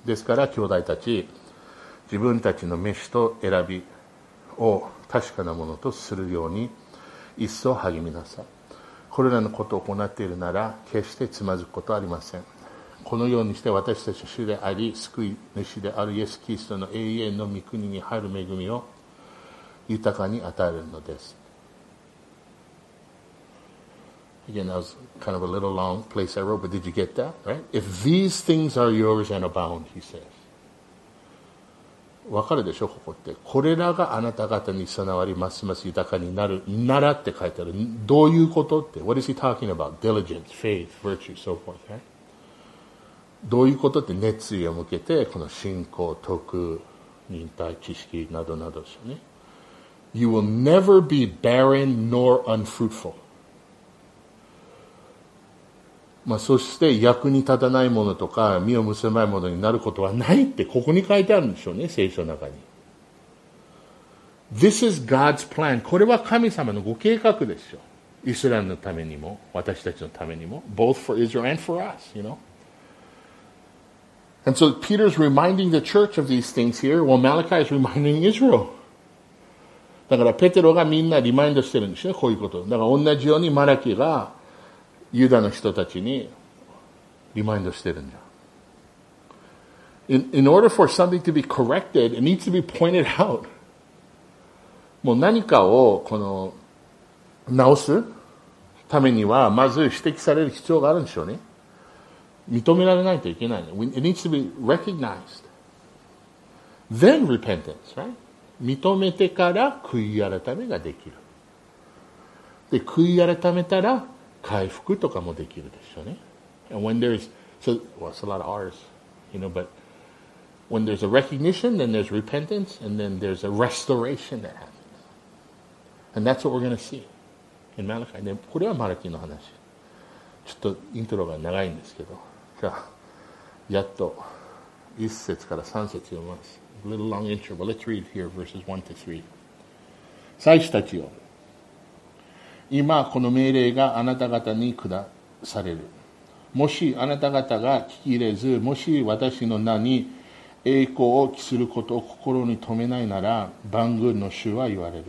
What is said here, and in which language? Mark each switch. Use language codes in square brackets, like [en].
[ja] ですから兄弟たち、自分たちの召しと選びを確かなものとするように一層励みなさい。これらのことを行っているなら決してつまずくことはありません。このようにして私たちの主であり救い主であるイエス・キリストの永遠の御国に入る恵みを豊かに与えるのです。 [en] Again, that was kind of a little long place I wrote, but did you get that? Right? If these things are yours and abound, he says. [ja] 分かるでしょ、ここって、これらがあなた方に備わりますます豊かになるならって書いてある。どういうことって、 [en] What is he talking about? Diligence, faith, virtue, so forth、right? [ja] どういうことって、熱意を向けて、この信仰、徳、忍耐、知識などなどですよね。 [en] You will never be barren nor unfruitful、 [ja] まあ、そして役に立たないものとか実を結ばないものになることはないって、ここに書いてあるんでしょうね、聖書の中に。 [en] This is God's plan、 [ja] これは神様のご計画ですよ、イスラエルのためにも私たちのためにも、 [en] Both for Israel and for us, you know。 And so Peter's reminding the church of these things here, while Malachi is reminding Israel. [ja] だからペテロがみんなリマインドしてるんですよ、こういうこと。だから同じようにマラキがユダの人たちにリマインドしてるんじゃ。 [en] In order for something to be corrected, it needs to be pointed out. [ja] もう何かをこの直すためには、まず指摘される必要があるんでしょうね。認められないといけない。 [en] It needs to be recognized. Then repentance, right? [ja] 認めてから悔い改めができる。で、悔い改めたら回復とかもできるでしょうね。 [en] And when there's, so, well, it's a lot of R's, you know, but when there's a recognition, then there's repentance, and then there's a restoration that happens. And that's what we're going to see in Malachi. [ja] で、これはマラキの話。ちょっとイントロが長いんですけど。やっと一節から三節読みます。 [en] A little long intro, but let's read here verses 1 to 3. [ja] 祭司たちよ、今この命令があなた方に下される。もしあなた方が聞き入れず、もし私の名に栄光を期することを心に留めないなら、万軍の主は言われる。